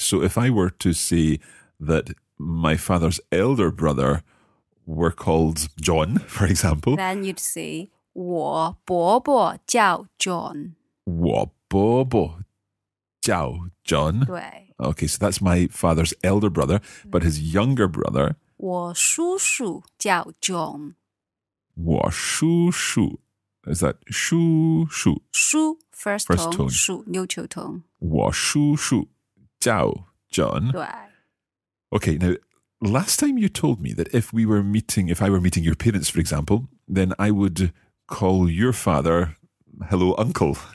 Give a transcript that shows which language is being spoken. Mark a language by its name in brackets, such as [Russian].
[English] So if I were to say that my father's elder brother were called John, for example, then you'd say [Chinese] 我伯伯叫John. 我伯伯叫John. 对. [English] Okay. So that's my father's elder brother, but his younger brother. [Chinese] 我叔叔叫John. 我叔叔, [English] is that [Chinese] 叔叔? [English] 叔, first tone, 叔, neutral tone. [Chinese] 我叔叔叫John. 对. [English] Okay, now, last time you told me that if I were meeting your parents, for example, then I would call your father, hello, uncle.